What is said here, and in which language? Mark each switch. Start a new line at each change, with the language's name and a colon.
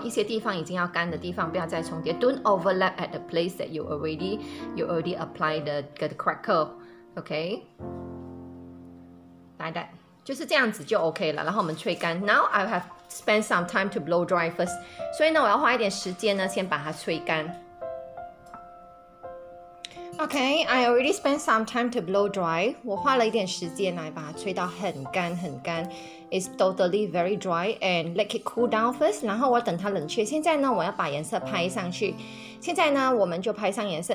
Chinese: 一些地方已经要干的地方不要再重叠。
English: Don't overlap at the place that you already apply the crackle. Okay, like that.
Chinese: 就是这样子就 OK 了。然后我们吹干。
English: Now I have spent some time to blow dry first.
Chinese: 所以呢，我要花一点时间呢，先把它吹干。
English: Okay, I already spent some time to blow dry.
Chinese: 我花了一点时间来把它吹到很干很干。
English: It's totally very dry and let it cool down first.
Chinese: 然后我等它冷却。现在呢，我要把颜色拍上去。现在呢，我们就拍上颜色。